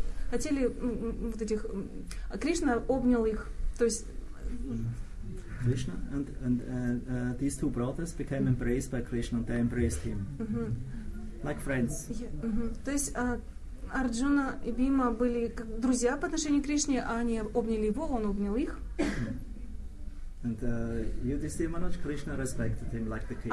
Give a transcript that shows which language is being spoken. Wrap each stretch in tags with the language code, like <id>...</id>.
<ru>Хотели вот этих, а Кришна обнял их, то есть</ru> <en>Кришна and these two brothers became embraced by Krishna and they embraced him like friends.</en> <ru>То есть Арджуна и Бима были как друзья по отношению к Кришне, а они обняли его, он обнял их.</ru> <en>And Yudhishthira Maharaj, Krishna respected him like the king.</en>